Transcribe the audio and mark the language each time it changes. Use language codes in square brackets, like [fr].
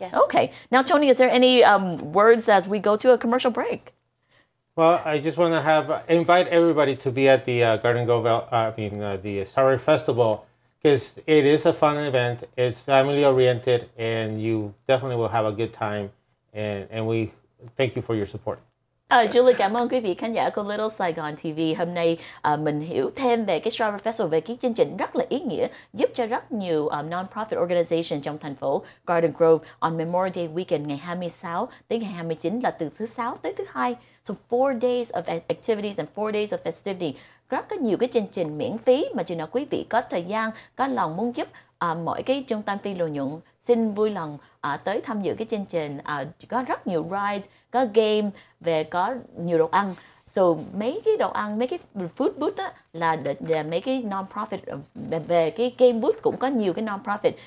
[en] Okay. Now, Tony, is there any words as we go to a commercial break? Well, I just want to invite everybody to be at the Garden Grove, the Starry Festival, because it is a fun event. It's family oriented, and you definitely will have a good time. And we thank you for your support. [vi] Julie, cảm ơn quý vị khán giả của Little Saigon TV. Hôm nay mình hiểu thêm về cái Strawberry Festival, về cái chương trình rất là ý nghĩa, giúp cho rất nhiều [en] non-profit organization [vi] trong thành phố Garden Grove [en] on Memorial Day weekend [vi] ngày 26 tới ngày 29, là từ thứ 6 tới thứ 2. [en] So 4 days of activities and 4 days of festivity. [vi] Rất là nhiều cái chương trình miễn phí mà chỉ là quý vị có thời gian, có lòng muốn giúp mỗi cái trung tâm phi lợi nhuận, xin vui lòng tới tham dự cái chương trình. Có rất nhiều rides, có game, về có nhiều đồ ăn. So mấy cái đồ ăn, mấy cái food booth là mấy cái non-profit, về cái game booth cũng có nhiều cái non-profit.